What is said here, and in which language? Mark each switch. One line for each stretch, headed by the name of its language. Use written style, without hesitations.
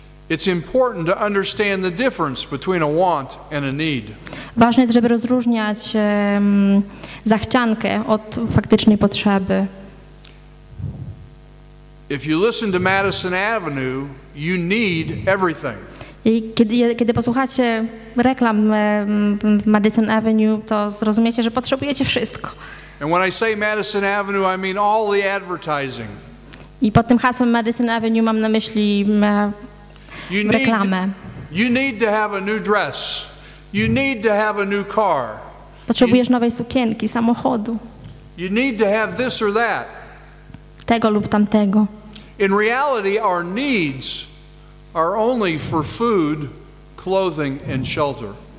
English: It's important to understand the difference between a want and a need.
Polish: Ważne jest, żeby rozróżniać zachciankę od faktycznej potrzeby.
English: If you listen to Madison Avenue, you need everything.
Polish: I kiedy posłuchacie reklam w Madison Avenue, to zrozumiecie, że potrzebujecie wszystko.
English: And when I say Madison Avenue, I mean all the advertising.
Polish: I pod tym hasłem Madison Avenue mam na myśli reklamę.
English: You need to have a new dress. You need to have a new car.
Polish: Potrzebujesz nowej sukienki, samochodu.
English: You need to have this or that.
Polish: Tego lub tamtego.
English: In reality, our needs are only for food, clothing, and shelter.